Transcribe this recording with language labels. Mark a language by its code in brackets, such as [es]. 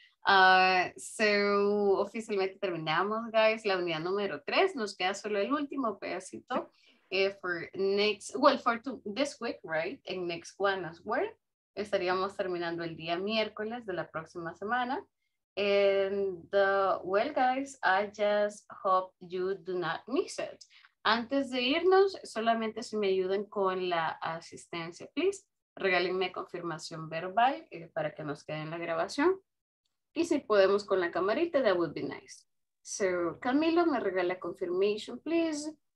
[es] Oficialmente terminamos, guys, la unidad número 3. Nos queda solo el último pedacito [en] for this week, [es] right? [en] And next one as well. [es] Estaríamos terminando el día miércoles de la próxima semana. [en] And well, guys, I just hope you do not miss it. [es] Antes de irnos, solamente si me ayudan con la asistencia, please. Regálenme confirmación verbal para que nos quede en la grabación. Y si podemos con la camarita, [en] that would be nice. [es] So, Camilo, me regala confirmation, please.